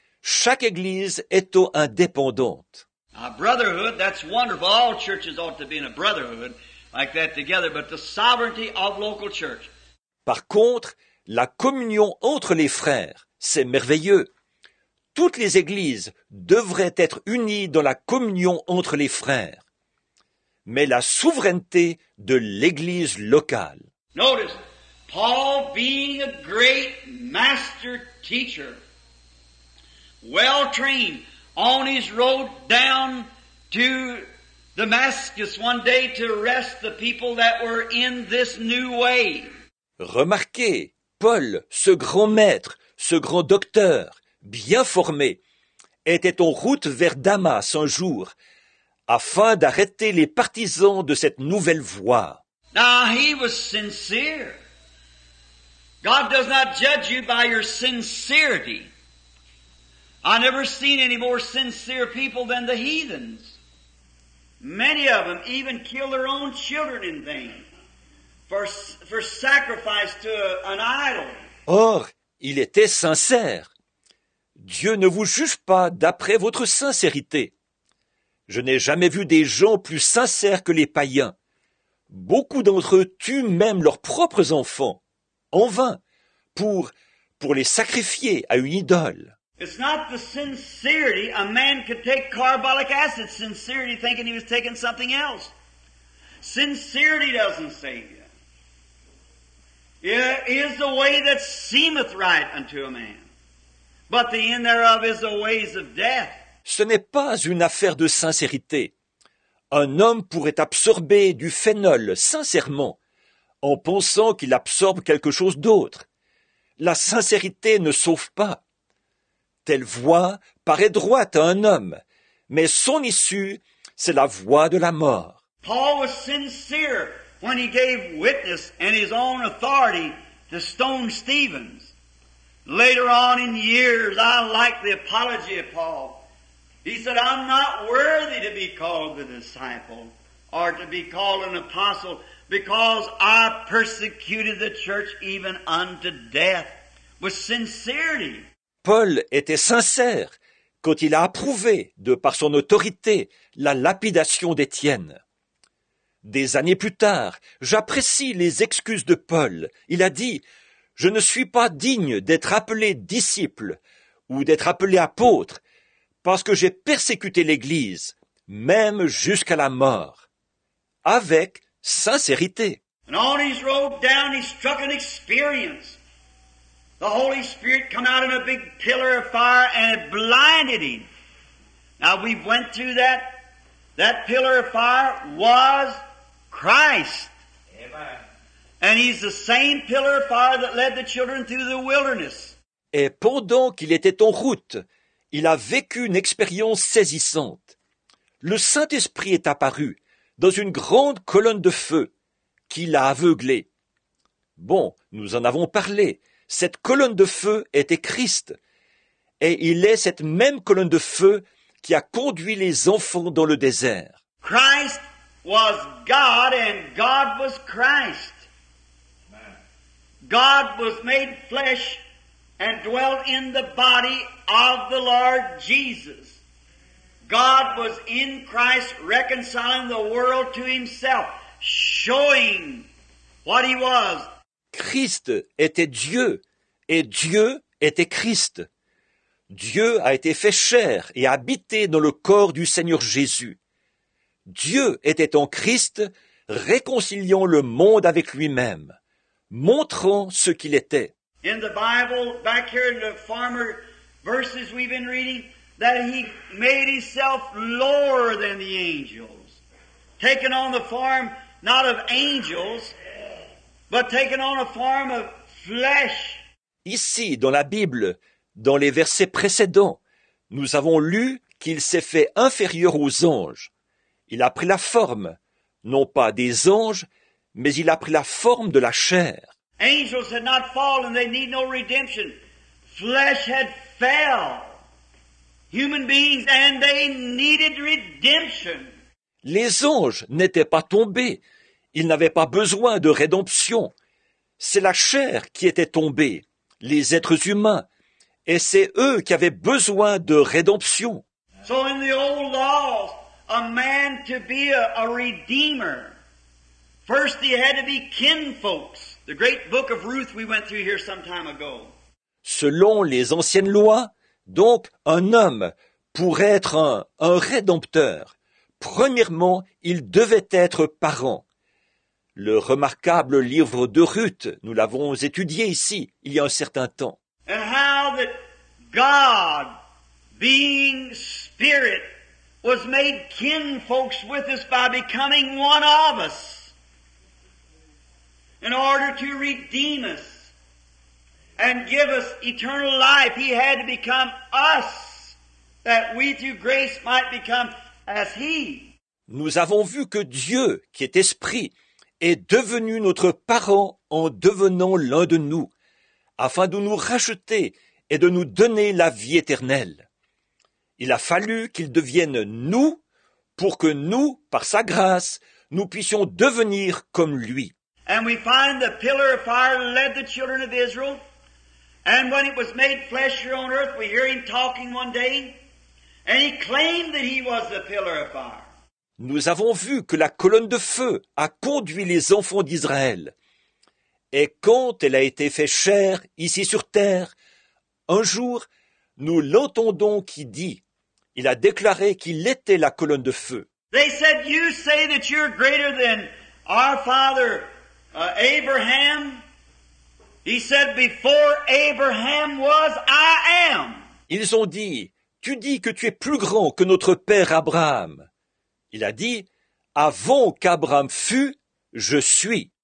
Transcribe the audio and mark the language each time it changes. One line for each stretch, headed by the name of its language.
French: Chaque église est indépendante.
English: A brotherhood, that's wonderful. All churches ought to be in a brotherhood like that together, but the sovereignty of local church.
French: Par contre, la communion entre les frères, c'est merveilleux. Toutes les églises devraient être unies dans la communion entre les frères. Mais la souveraineté de l'église locale.
English: Notice, Paul being a great master teacher, well trained, on his road down to Damascus one day to arrest the people that were in this new way.
French: Remarquez, Paul, ce grand maître, ce grand docteur, bien formé, était en route vers Damas un jour, afin d'arrêter les partisans de cette nouvelle voie.
English: Now he was sincere. God does not judge you by your sincerity. I never seen any more sincere people than the heathens. Many of them even kill their own children in vain for sacrifice to an idol.
French: Or, il était sincère. Dieu ne vous juge pas d'après votre sincérité. Je n'ai jamais vu des gens plus sincères que les païens. Beaucoup d'entre eux tuent même leurs propres enfants, en vain, pour les sacrifier à une idole.
English: It's not the sincerity. A man could take carbolic acid, sincerity, thinking he was taking something else. Sincerity doesn't save you. It is the way that seemeth right unto a man, but the end thereof is the ways of death.
French: Ce n'est pas une affaire de sincérité. Un homme pourrait absorber du phénol sincèrement en pensant qu'il absorbe quelque chose d'autre. La sincérité ne sauve pas. Telle voie paraît droite à un homme, mais son issue, c'est la voie de la mort.
English: Paul was sincere when he gave witness and his own authority to stone Stephen. Later on in years, I like the apology of Paul. He said, I'm not worthy to be called the disciple or to be called an apostle because I persecuted the church even unto death with sincerity.
French: Paul était sincère quand il a approuvé de par son autorité la lapidation d'Étienne. Des années plus tard, j'apprécie les excuses de Paul. Il a dit, « Je ne suis pas digne d'être appelé disciple ou d'être appelé apôtre, parce que j'ai persécuté l'Église, même jusqu'à la mort, avec sincérité. »
English: And on his road down, he struck an experience. The Holy Spirit come out in a big pillar of fire and it blinded him. Now we went through that. That pillar of fire was Christ. Amen. And he's the same pillar of fire that led the children through the wilderness.
French: Et pendant qu'il était en route, il a vécu une expérience saisissante. Le Saint-Esprit est apparu dans une grande colonne de feu qui l'a aveuglé. Bon, nous en avons parlé. Cette colonne de feu était Christ. Et il est cette même colonne de feu qui a conduit les enfants dans le désert.
English: Christ was God and God was Christ. God was made flesh and dwelt in the body of the Lord Jesus. God was in Christ reconciling the world to himself, showing what he was.
French: Christ était Dieu, et Dieu était Christ. Dieu a été fait chair et habité dans le corps du Seigneur Jésus. Dieu était en Christ, réconciliant le monde avec lui-même, montrant ce qu'il était.
English: In the Bible, back here in the former verses we've been reading, that he made himself lower than the angels, taking on the form not of angels, but taking on a form of flesh.
French: Ici, dans la Bible, dans les versets précédents, nous avons lu qu'il s'est fait inférieur aux anges. Il a pris la forme, non pas des anges, mais il a pris la forme de la chair.
English: Angels had not fallen, they need no redemption. Flesh had fell. Human beings, and they needed redemption.
French: Les anges n'étaient pas tombés. Ils n'avaient pas besoin de rédemption. C'est la chair qui était tombée, les êtres humains. Et c'est eux qui avaient besoin de rédemption.
English: So in the old laws, a man to be a redeemer, first he had to be kinfolks. The great book of Ruth we went through here some time ago.
French: Selon les anciennes lois, donc un homme pourrait être un rédempteur. Premièrement, il devait être parent. Le remarquable livre de Ruth, nous l'avons étudié ici il y a un certain temps.
English: And how that God, being spirit, was made kinfolks with us by becoming one of us. In order to redeem us and give us eternal life, he had to become us, that we through grace might become as he.
French: Nous avons vu que Dieu, qui est esprit, est devenu notre parent en devenant l'un de nous, afin de nous racheter et de nous donner la vie éternelle. Il a fallu qu'il devienne nous pour que nous, par sa grâce, nous puissions devenir comme lui.
English: And we find the pillar of fire led the children of Israel. And when it was made flesh here on earth, we hear him talking one day. And he claimed that he was the pillar of fire.
French: Nous avons vu que la colonne de feu a conduit les enfants d'Israël. Et quand elle a été faite chair ici sur terre, un jour, nous l'entendons qui dit, il a déclaré qu'il était la colonne de feu.
English: They said, you say that you're greater than our father Abraham, He said, "Before Abraham was, I am."
French: Ils ont dit, tu dis que tu es plus grand que notre père Abraham. Il a dit, avant qu'Abraham fût, je suis.